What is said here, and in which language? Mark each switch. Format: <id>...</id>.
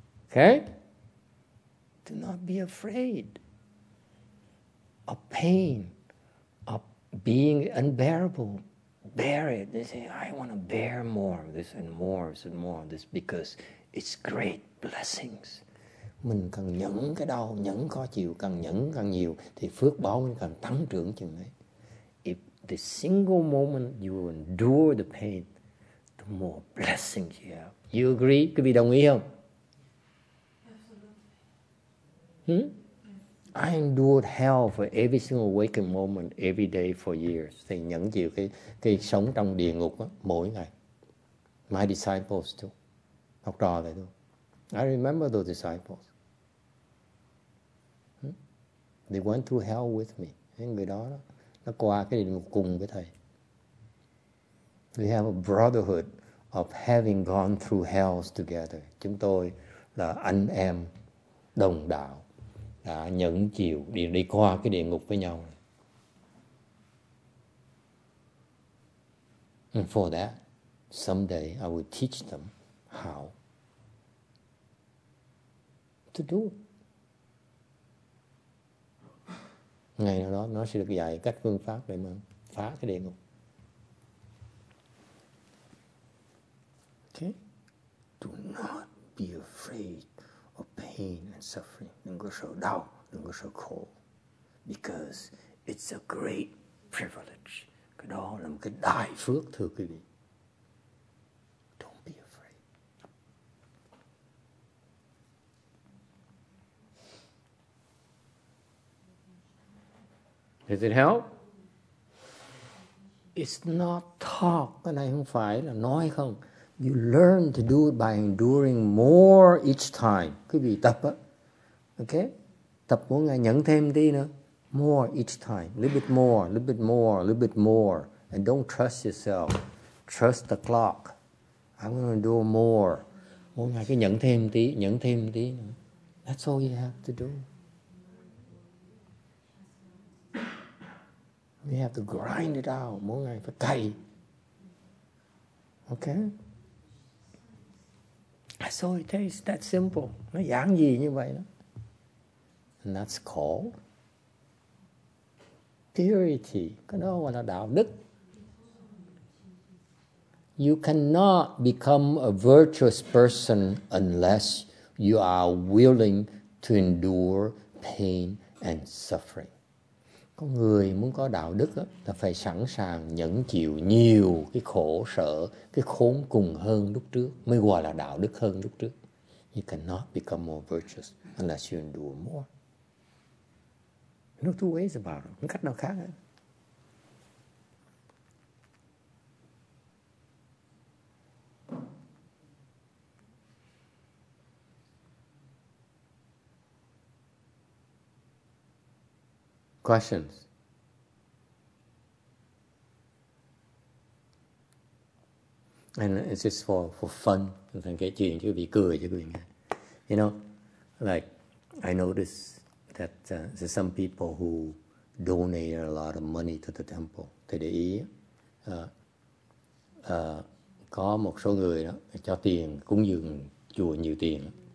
<en>Okay? Do not be afraid of pain, of being unbearable. Bear it. They say, I want to bear more of this and more of this and more of this because it's great blessings.</en> <vi>Mình cần nhẫn cái đau, nhẫn khó chịu, cần nhẫn càng nhiều thì phước báo mình càng tăng trưởng chừng ấy.</vi> <en>If the single moment you endure the pain, the more blessings you have. You agree?</en> <vi>Quý vị đồng ý không?</vi> <en>I endured hell for every single waking moment, every day for years.</en> <vi>Thầy nhẫn chịu cái sống trong địa ngục đó, mỗi ngày.</vi> <en>My disciples too.</en> <vi>Học trò lại thôi.</vi> <en>I remember those disciples. They went through hell with me.</en> <vi>Thấy người đó, đó, nó qua cái địa ngục cùng với thầy.</vi> <en>We have a brotherhood of having gone through hells together.</en> <vi>Chúng tôi là anh em đồng đạo. Đã nhẫn chịu đi qua cái địa ngục với nhau.</vi> <en>And for that, someday I will teach them how to do it.</en> <vi>Ngày nào đó nó sẽ được dạy cách phương pháp để mà phá cái địa ngục.</vi> <en>Okay. Do not be afraid of pain and suffering.</en> <vi>Đừng có sợ đau. Đừng có sợ khổ.</vi> <en>Because it's a great privilege.</en> <vi>Cái đó là một cái đại phước thưa quý vị.</vi> <en>Don't be afraid. Does it help? It's not talk.</en> <vi>Cái này không phải là nói không.</vi> <en>You learn to do it by enduring more each time.</en> <vi>Quý vị tập á. Okay? Tập mỗi ngày nhẫn thêm đi nữa.</vi> <en>More each time. A little bit more, a little bit more, a little bit more. And don't trust yourself. Trust the clock. I'm going to do more.</en> <vi>Mỗi ngày cứ nhẫn thêm tí, nhẫn thêm tí nữa.</vi> <en>That's all you have to do. You have to grind it out.</en> <vi>Mỗi ngày phải cày.</vi> <en>Okay? That's all it takes. That simple.</en> <vi>Nó giản gì như vậy đó.</vi> <en>And that's called purity.</en> <vi>Cái đó gọi là đạo đức.</vi> <en>You cannot become a virtuous person unless you are willing to endure pain and suffering.</en> <vi>Con người muốn có đạo đức đó, là phải sẵn sàng nhẫn chịu nhiều cái khổ sở, cái khốn cùng hơn lúc trước mới gọi là đạo đức hơn lúc trước.</vi> <en>You cannot become more virtuous unless you endure more. No two ways about it.</en> <vi>Không cách nào khác hết.</vi> <en>Questions? And it's just for fun.</en> <vi>thành kể chuyện cho quý vị cười cho quý vị nghe.</vi> <en>You know, like I notice that there's some people who donate a lot of money to the temple.</en> <vi>Thì để ý có một số người đó cho tiền cúng dường chùa nhiều tiền.</vi>